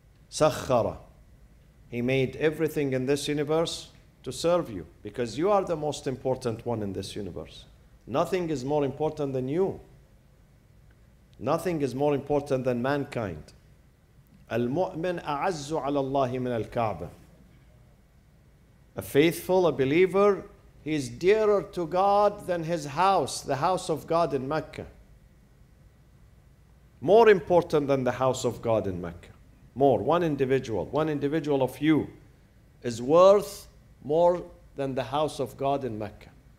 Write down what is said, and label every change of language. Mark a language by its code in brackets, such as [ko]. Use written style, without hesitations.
[en] Sakhara. He made everything in this universe to serve you, because you are the most important one in this universe. Nothing is more important than you. Nothing is more important than mankind. [ar] المؤمن أعز على الله من الكعبة. [en] A faithful, a believer, he is dearer to God than his house, the house of God in Mecca. More important than the house of God in Mecca. More. One individual of you is worth more than the house of God in Mecca.